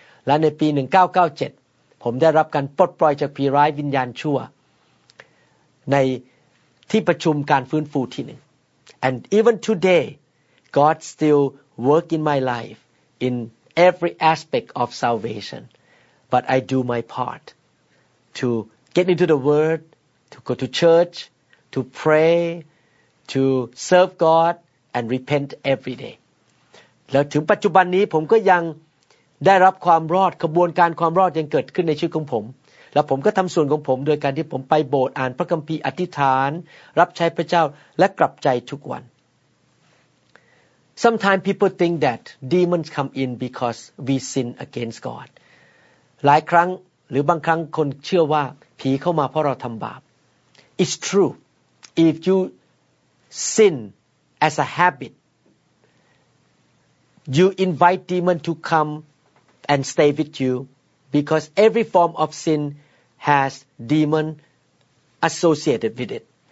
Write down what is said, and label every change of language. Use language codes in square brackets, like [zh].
[th] และในปี1997ผมได้รับการปลดปล่อยจากผีร้ายวิญญาณชั่วในที่ประชุมการฟื้นฟูที่หนึ่ง [en] And even today, God still work in my life in every aspect of salvation. But I do my part to get into the Word, to go to church, to pray, to serve God and repent every day. [th] แล้วถึงปัจจุบันนี้ผมก็ยังได้รับความรอดขบวนการความรอดยังเกิดขึ้นในชีวิตของผมแล้วผมก็ทำส่วนของผมโดยการที่ผมไปโบสถ์อ่านพระคัมภีร์อธิษฐานรับใช้พระเจ้าและกลับใจทุกวัน [en] Sometimes people think that demons come in because we sin against God [th] หลายครั้งหรือบางครั้งคนเชื่อว่าผีเข้ามาเพราะเราทำบาป [en] It's true if you sin as a habitYou invite demon to come and stay with you because every form of sin has demon associated with it.